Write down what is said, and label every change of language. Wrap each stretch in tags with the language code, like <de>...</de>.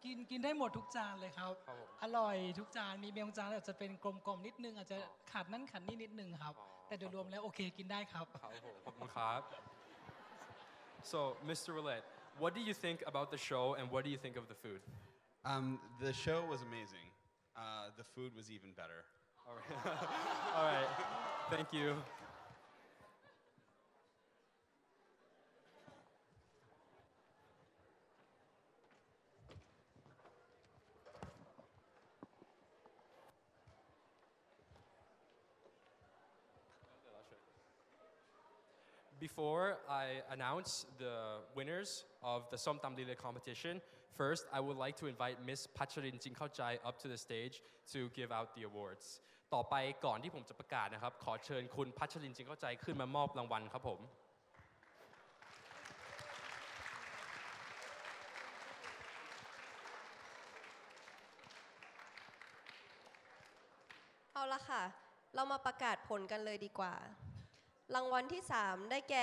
<th>กินได้หมดทุกจานเลยครับอร่อยทุกจานมีบางจานอาจจะเป็นกลมๆนิดนึงอาจจะขาดนั่นขาดนี่นิดนึงครับแต่โดยรวมแล้วโอเคกินได้ครับ ขอบคุณครับ</th> <en>So Mr. Roulette what do you think about the show and what do you think of the food The show was amazing the food was even better All right thank youBefore I announce the winners of the Som Tam Lila competition, first I would like to invite Miss Pacharin Jing Khao Jai up to the stage to give out the awards.</en> <th>ต่อไปก่อนที่ผมจะประกาศนะครับขอเชิญคุณ Pacharin Jing Khao Jai ขึ้นมามอบรางวัลครับผม เอาละค่ะเรามาประกาศผลกันเลยดีกว่ารางวัลที่3ได้แก</th>